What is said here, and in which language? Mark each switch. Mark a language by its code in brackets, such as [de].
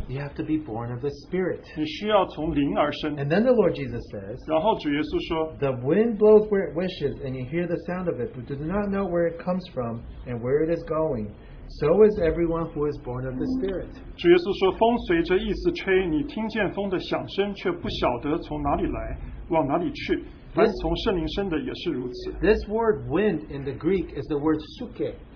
[en] You have to be born of the Spirit. [zh] 你需要从灵而生. [en] And then the Lord Jesus says, [zh] 然后主耶稣说, [en] the wind blows where it wishes, and you hear the sound of it, but do not know where it comes from and where it is going. So is everyone who is born of the Spirit. [zh] 主耶稣说, 风随着意思吹, 你听见风的响声, 却不晓得从哪里来, 往哪里去。 [en] This word wind in the Greek is the word suke.